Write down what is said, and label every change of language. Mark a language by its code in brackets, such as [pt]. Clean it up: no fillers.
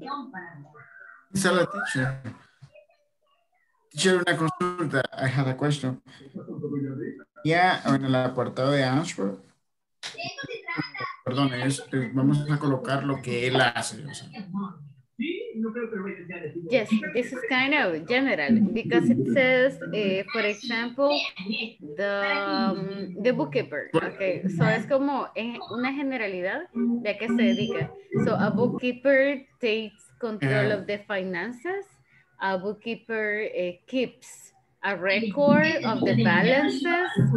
[es] Bueno. Dice la teacher. Teacher, una consulta. [en] I had a question. [es] Ya, en el apartado de Answer. Perdón, vamos a colocar lo que él hace. O sea. [en] Yes, this is kind of general because it says, for example, the bookkeeper. [es] Okay, so es como una generalidad de a qué se dedica. [en] So a bookkeeper takes control of the finances. A bookkeeper keeps a record of the balances.